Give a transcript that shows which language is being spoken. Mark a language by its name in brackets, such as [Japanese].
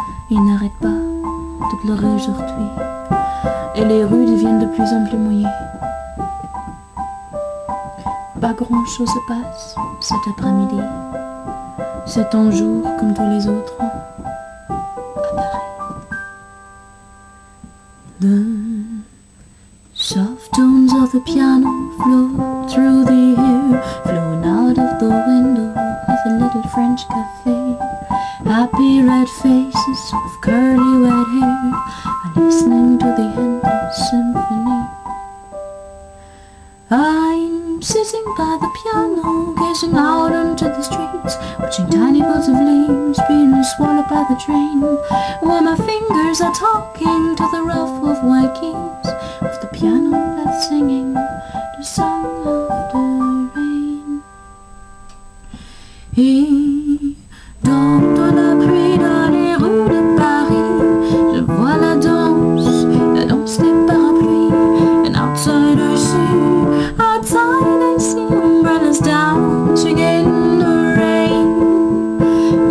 [French] Il n'arrête pas de pleurer aujourd'hui, et les rues deviennent de plus en plus mouillées. Pas grand chose se passe cet après-midi, c'est un jour comme tous les autres. [English] The soft tones of the piano flow through the air, flown out of the window of a little French cafe. Happy red faces with curly red hair are listening to the endless symphony. I'm sitting by the piano, gazing out onto the streets, watching tiny balls of leaves being swallowed by the train, while my fingers are talking to the rough of white keys of the piano that's singing the song of the rain. [French] He dans de la pluie dans les rues de Paris, je vois la danse des parapluies. [English] An outsider see, outside I see umbrellas dancing in the rain.